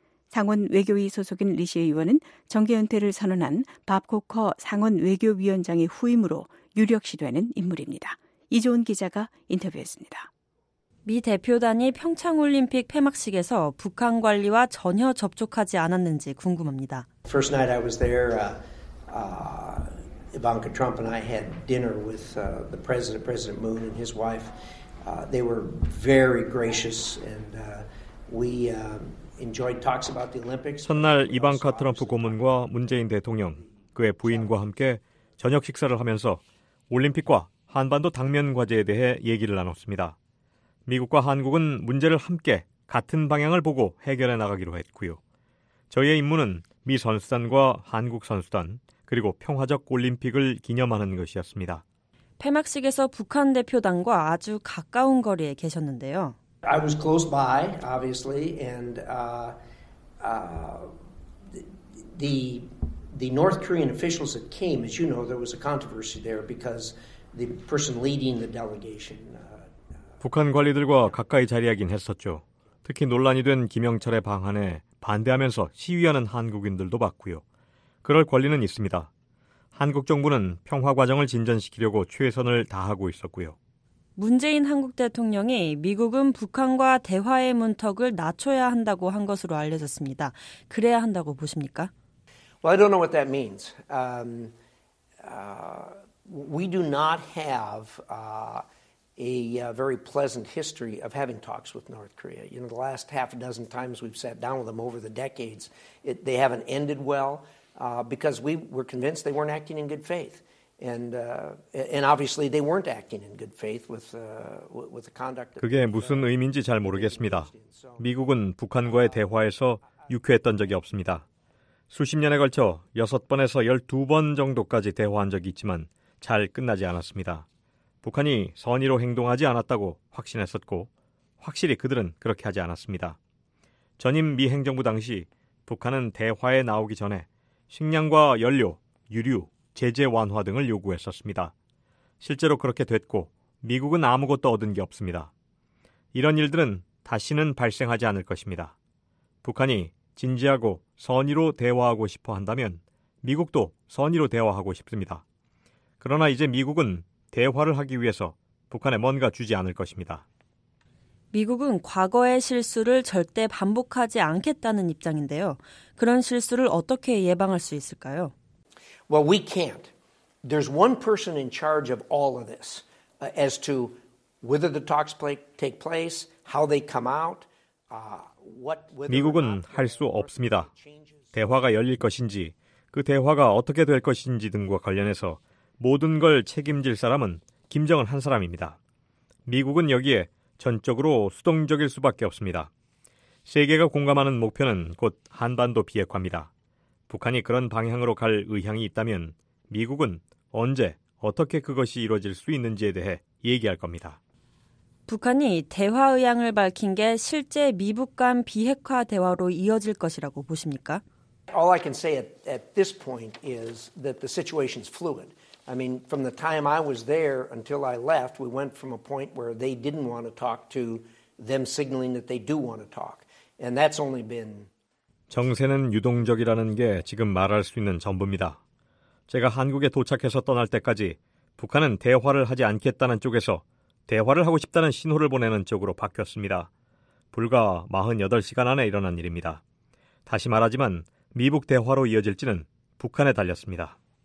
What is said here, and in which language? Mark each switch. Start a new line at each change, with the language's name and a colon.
Korean: 상원 외교위 소속인 리시 의원은 정계 은퇴를 선언한 밥 코커 상원 외교위원장의 후임으로 유력시되는 인물입니다. 이조은 기자가 인터뷰했습니다. 미 대표단이 평창올림픽 폐막식에서 북한 관리와 전혀 접촉하지 않았는지 궁금합니다.
English: First night I was there, Ivanka Trump and I had dinner with the president, President Moon and his wife. They were very gracious and we enjoyed talks about the Olympics.
Korean: 첫날 이방카 트럼프 고문과 문재인 대통령, 그의 부인과 함께 저녁 식사를 하면서 올림픽과 한반도 당면 과제에 대해 얘기를 나눴습니다. 미국과 한국은 문제를 함께 같은 방향을 보고 해결해 나가기로 했고요. 저희의 임무는 미 선수단과 한국 선수단 그리고 평화적 올림픽을 기념하는 것이었습니다. 폐막식에서 북한 대표단과 아주 가까운 거리에 계셨는데요.
English: I was close by, obviously, and the North Korean officials that came, as you know, there was a controversy there because the person leading the delegation.
Korean: 북한 관리들과 가까이 자리하긴 했었죠. 특히 논란이 된 김영철의 방한에 반대하면서 시위하는 한국인들도 봤고요. 그럴 권리는 있습니다. 한국 정부는 평화 과정을 진전시키려고 최선을 다하고 있었고요. 문재인 한국 대통령이 미국은 북한과 대화의 문턱을 낮춰야 한다고 한 것으로 알려졌습니다. 그래야 한다고 보십니까?
English: Well, I don't know what that means. We do not have a very pleasant history of having talks with North Korea. You know, the last half a dozen times we've sat down with them over the decades, they haven't ended well. Because we were convinced they weren't acting in good faith, and obviously they weren't acting in good faith with the conduct.
Korean: 그게 무슨 의미인지 잘 모르겠습니다. 미국은 북한과의 대화에서 유쾌했던 적이 없습니다. 수십 년에 걸쳐 6번에서 12번 정도까지 대화한 적이 있지만 잘 끝나지 않았습니다. 북한이 선의로 행동하지 않았다고 확신했었고 확실히 그들은 그렇게 하지 않았습니다. 전임 미 행정부 당시 북한은 대화에 나오기 전에 식량과 연료, 유류, 제재 완화 등을 요구했었습니다. 실제로 그렇게 됐고 미국은 아무것도 얻은 게 없습니다. 이런 일들은 다시는 발생하지 않을 것입니다. 북한이 진지하고 선의로 대화하고 싶어 한다면 미국도 선의로 대화하고 싶습니다. 그러나 이제 미국은 대화를 하기 위해서 북한에 뭔가 주지 않을 것입니다. 미국은 과거의 실수를 절대 반복하지 않겠다는 입장인데요. 그런 실수를 어떻게 예방할 수 있을까요?
English: Well, we can't. There's one person in charge of all of this as to whether the talks take place, how they come out, what
Korean: 미국은 할 수 없습니다. 대화가 열릴 것인지, 그 대화가 어떻게 될 것인지 등과 관련해서 모든 걸 책임질 사람은 김정은 한 사람입니다. 미국은 여기에 전적으로 수동적일 수밖에 없습니다. 세계가 공감하는 목표는 곧 한반도 비핵화입니다. 북한이 그런 방향으로 갈 의향이 있다면 미국은 언제, 어떻게 그것이 이루어질 수 있는지에 대해 얘기할 겁니다. 북한이 대화 의향을 밝힌 게 실제 미북 간 비핵화 대화로 이어질 것이라고 보십니까?
English: All I can say at this point is that the situation is fluid. I mean, from the time I was there until I left, we went from a point where they didn't want to talk to them signaling that they do want to talk. And that's only been
Korean: 정세는 유동적이라는 게 지금 말할 수 있는 전부입니다. 제가 한국에 도착해서 떠날 때까지 북한은 대화를 하지 않겠다는 쪽에서 대화를 하고 싶다는 신호를 보내는 쪽으로 바뀌었습니다. 불과 48시간 안에 일어난 일입니다. 다시 말하지만 미북 대화로 이어질지는 북한에 달렸습니다.